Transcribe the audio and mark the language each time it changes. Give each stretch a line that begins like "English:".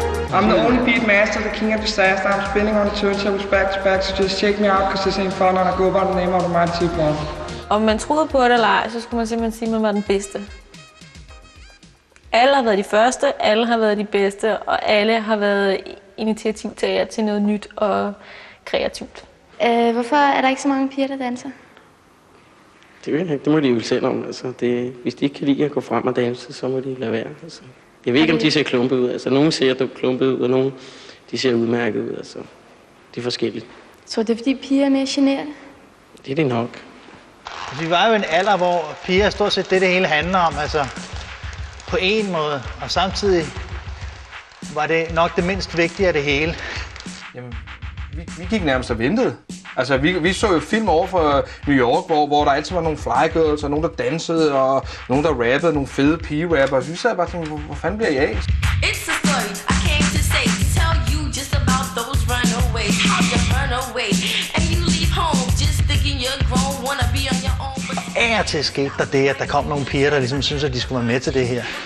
English: I'm the only beat master, the king of disaster. I'm spinning on the turntables back to back, so just check me out, because this ain't fun, and I go by the name of the Mighty T-Bone.
Danish: om man troede på det eller ej, så skulle man simpelthen sige, at man var den bedste. Alle har været de første, alle har været de bedste, og alle har været initiativtager til noget nyt og kreativt. Hvorfor er der ikke så mange piger, der danser? Det ved jeg ikke. Det må de jo selv om. Altså, det, hvis de ikke kan lide at gå frem og danse, så må de lade være. Altså, jeg ved ikke, om de ser klumpet ud. Altså, nogle ser klumpet ud, og nogle de ser udmærket ud. Altså, det er forskelligt. Så det er, fordi piger er mere generet? Det er det nok. Vi var jo i en alder, hvor piger stort set det hele handler om. Altså, på en måde, og samtidig var det nok det mindst vigtige af det hele. Jamen, vi gik nærmest og ventede. Altså, vi så jo film over for New York, hvor der altid var nogle fly girls, og nogen, der dansede, og nogen, der rappede, nogle fede pigerappere. Vi sad bare og tænkte, hvor fanden bliver jeg?
English: It's a story I came to say, to tell you just about those runaways, how you run away, and you leave home just thinking you're grown, wanna be on your own.
Danish: Af og til skete der det, at der kom nogle piger, der ligesom synes, at de skulle være med til det her.